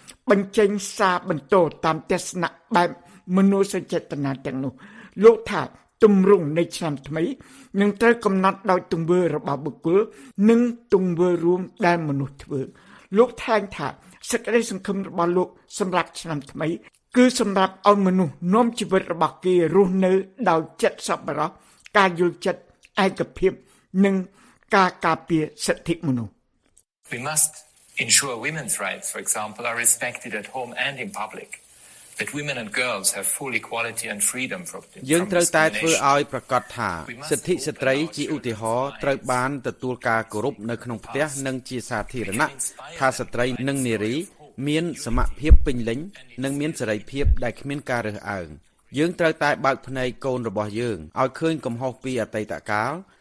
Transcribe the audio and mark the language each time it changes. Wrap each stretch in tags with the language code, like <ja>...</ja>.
<km>បញ្ចេញសារបន្ទោតាមទស្សនៈបែបមនោសញ្ចេតនាទាំងនោះលោកថាទម្រង់នៃឆ្នាំថ្មីនឹងត្រូវកំណត់ដោយទង្វើរបស់បុគ្គលនិងទង្វើរួមដែលមនុស្សធ្វើលោកថែមថាសេចក្តីសង្ឃឹមរបស់លោកសម្រាប់ឆ្នាំថ្មីគឺសម្រាប់ឲ្យមនុស្សនាំជីវិតរបស់គេរស់នៅដោយចិត្តសប្បុរសការយល់ចិត្តឯកភាពនិងការការពារសិទ្ធិមនុស្ស</km> <en>We must ensure women's rights, for example, are respected at home and in public. That women and girls have full equality and freedom from discrimination.</en> <km>យើងត្រូវតែធ្វើឲ្យប្រកាសថាសិទ្ធិស្ត្រីជាឧទាហរណ៍ត្រូវបានទទួលការគោរពនៅក្នុងផ្ទះនិងជាសាធារណៈថាស្ត្រីនិងនារីមានសមភាពពេញលេញនិងមានសេរីភាពដែលគ្មានការរើសអើងយើងត្រូវតែបើកភ្នែកកូនរបស់យើងឲ្យឃើញកំហុសពីអតីតកាល</km>